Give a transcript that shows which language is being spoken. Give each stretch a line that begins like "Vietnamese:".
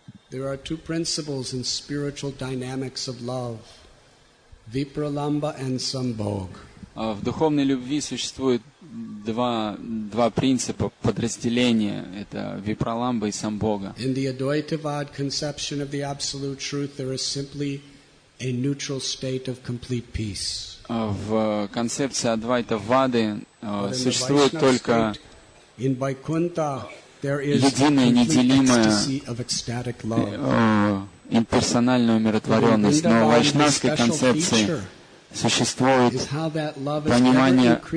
English: There are two principles in spiritual dynamics of love. Vipralamba and Sambhog.
Russian: В духовной любви существует два принципа подразделения. Это випраламба и самбога.
English: In the Advaitavad conception of the absolute truth, there is simply a neutral state of complete peace.
Russian: В концепции Адвайтавады существует только единая неделимая имперсональную умиротворенность. Но в вайшнавской концепции существует понимание